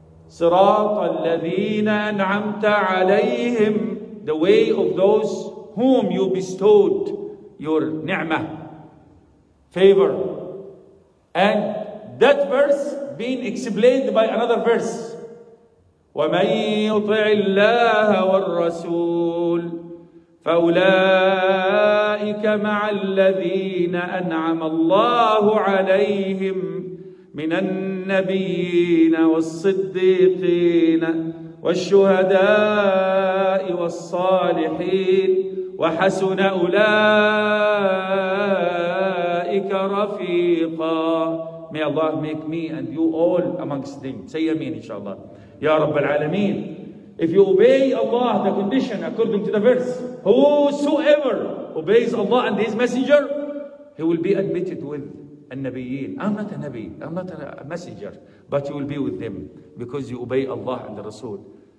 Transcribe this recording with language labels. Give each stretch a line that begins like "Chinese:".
Arabic: صراط الذين أنعمت عليهم.
English: The way of those whom you bestowed your ni'mah, favor. And that verse being explained by another verse.
Arabic: ومن يطع الله والرسول فأولئك مع الذين أنعم الله عليهم من النبيين والصديقين والشهداء والصالحين وحسن أولئك رفيقا.
English: May Allah make me and you all amongst them. Say Ameen inshallah.
Arabic: Ya Rabbal Alameen.
English: If you obey Allah, the condition according to the verse, whosoever obeys Allah and His Messenger, he will be admitted with an-nabiyyin. I'm not a Nabi, I'm not a messenger, but you will be with them because you obey Allah and the Rasul.